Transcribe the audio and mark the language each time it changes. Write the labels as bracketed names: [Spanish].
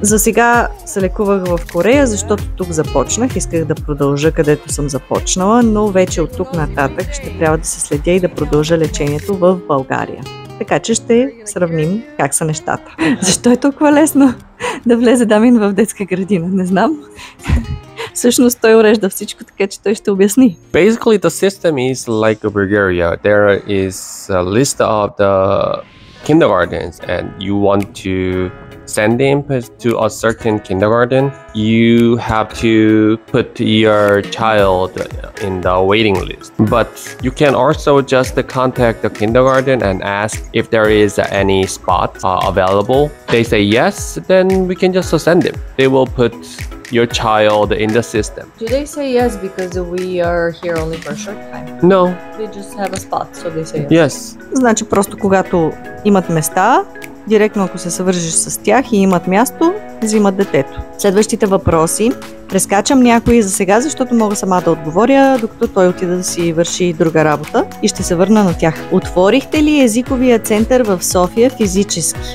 [Bulgarian] За сега се лекувах в Корея, защото тук започнах, исках да продължа където съм започнала, но вече от тук нататък ще трябва да се следя и да продължа лечението в България. Така че ще сравним как са нещата. Защо е толкова лесно да влезе Дамин в детска градина? Не знам. Всъщност той урежда всичко, така че той ще обясни. [English] Basically the system is like Bulgaria. There is a list of the kindergartens and you want to send him to a certain kindergarten. You have to put your child in the waiting list. But you can also just contact the kindergarten and ask if there is any spot available. They say yes, then we can just send him. They will put your child in the system. Do they say yes because we are here only for a short time? No. They just have a spot, so they say yes. Yes. [Bulgarian] Значи просто когато имат места, директно ако се свържиш с тях и имат място, взимат детето. Следващите въпроси. Прескачам някои за сега, защото мога сама да отговоря, докато той отида да си върши друга работа и ще се върна на тях. Отворихте ли езиковия център в София физически?